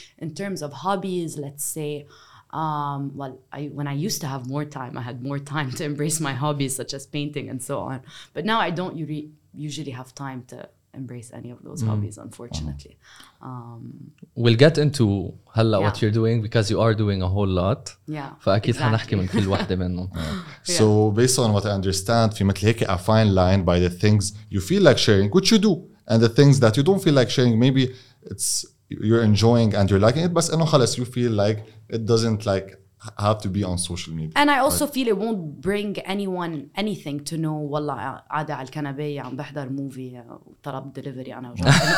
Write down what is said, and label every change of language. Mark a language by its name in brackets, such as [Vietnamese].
[English] In terms of hobbies, let's say, when I used to have more time, I had more time to embrace my hobbies, such as painting and so on. But now I don't usually have time to embrace any of those hobbies, unfortunately. We'll get into [Arabic] هلا [English] what you're doing because you are doing a whole lot. Yeah. [Arabic] فأكيد حنحكي من كل واحدة منهم. [English] So based on what I understand, [Arabic] في مثل هيك [English] a fine line by the things you feel like sharing, which you do, and the things that you don't feel like sharing, maybe it's you're enjoying and you're liking it, but [Arabic] إنه خلاص [English] you feel like it doesn't like have to be on social media. And I also feel it won't bring anyone anything to know wallah [Arabic] قاعده على الكنبه عم بحضر موفي طلب دليفري انا وجوزي.